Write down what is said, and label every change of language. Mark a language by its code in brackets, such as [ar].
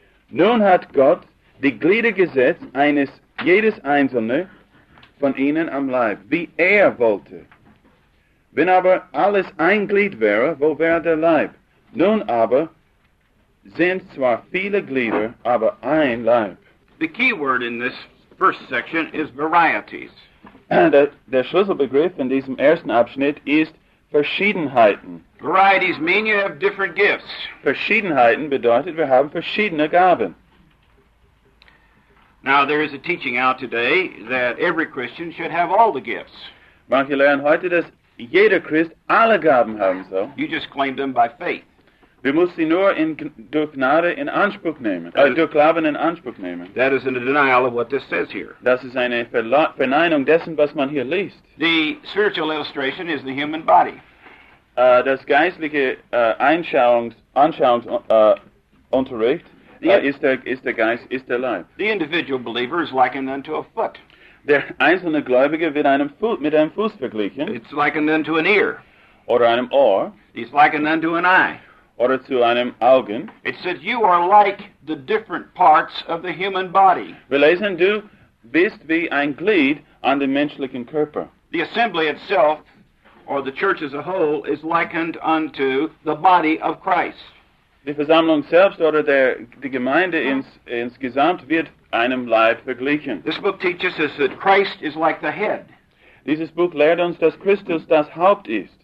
[de] Nun hat Gott die Glieder gesetzt, jedes einzelne von ihnen am Leib, wie er wollte. Wenn aber alles ein Glied wäre, wo wäre der Leib? Nun aber sind zwar viele Glieder, aber ein Leib. [en] The key word in this first section is varieties. [de] Der Schlüsselbegriff in diesem ersten Abschnitt ist Verschiedenheiten. [en] Varieties mean you have different gifts. [de] Verschiedenheiten bedeutet, wir haben verschiedene Gaben. [en] Now, there is a teaching out today that every Christian should have all the gifts. [de] Manche lernen heute, dass jeder Christ alle Gaben haben soll. [en] You just claimed them by faith. [de] Wir müssen sie nur durch Glauben in Anspruch nehmen. [en] That is a denial of what this says here. [de] Das ist eine Verneinung dessen, was man hier liest. [en] The spiritual illustration is the human body. [de] Das geistliche Anschauungsunterricht ist der Leib. [en] The individual believer is likened unto a foot. [de] Der einzelne Gläubige wird mit einem Fuß verglichen. [en] It's likened unto an ear. [de] Oder einem Ohr. [en] It's likened unto an eye. [de] Oder zu einem Augen. [en] It says you are like the different parts of the human body. [de] Wir lesen, du bist wie ein Glied an dem menschlichen Körper. [en] The assembly itself, or the church as a whole, is likened unto the body of Christ. [de] Die Versammlung selbst oder die Gemeinde insgesamt wird einem Leib verglichen. [en] This book teaches us that Christ is like the head. [de] Dieses Buch lehrt uns, dass Christus das Haupt ist.